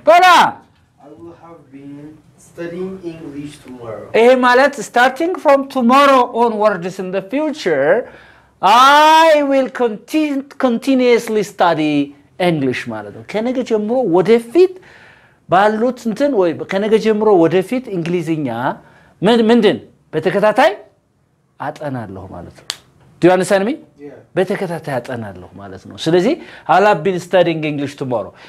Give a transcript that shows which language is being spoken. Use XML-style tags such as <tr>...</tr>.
<am>Bala!</am> <en>I will have been studying English tomorrow. Eh, malet, starting from tomorrow onwards in the future, I will continuously study English, malet. Can I get you more? What if it?</en> <am>ባሉት እንትን ወይ ከነገ ጀምሮ ወደፊት እንግሊዝኛ ምንድን በተከታታይ አጠናለሁ ማለት ነው።</am> <en>Do you understand me? Yeah.</en> <am>በተከታታይ አጠናለሁ ማለት ነው። ስለዚህ</am> <en>I'll have been studying English tomorrow.</en>